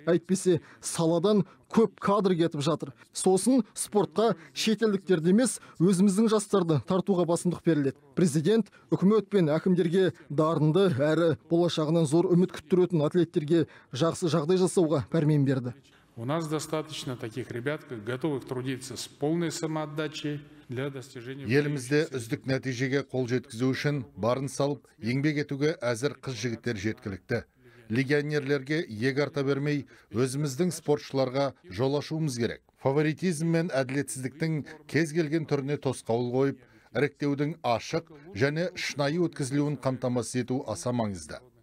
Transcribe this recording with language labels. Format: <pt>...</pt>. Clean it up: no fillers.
<kk>Әйтпесе саладан көп кадр кетіп жатыр. Сосын спортқа шетелдіктерді емес, өзіміздің жастарды тартуға басымдық беріледі. Президент үкімет пен әкімдерге дарынды әрі болашағынан зор үміт күттіретін атлеттерге жақсы жағдай жасауға пәрмен берді.</kk> <ru>У нас достаточно таких ребят, готовых трудиться с полной самоотдачей для достижения.</ru> <kk>Елімізде үздік нәтижеге қол жеткізу үшін барын салып, еңбек етуге әзір қыз-жігіттер жеткілікті. Легионерлерге ег арта бермей, өзіміздің спортшыларға жол ашуымыз керек. Фаворитизм мен әділетсіздіктің кез келген түріне тосқауыл қойып, іріктеудің ашық және шынайы өткізілуін қамтамасыз ету аса маңызды.</kk>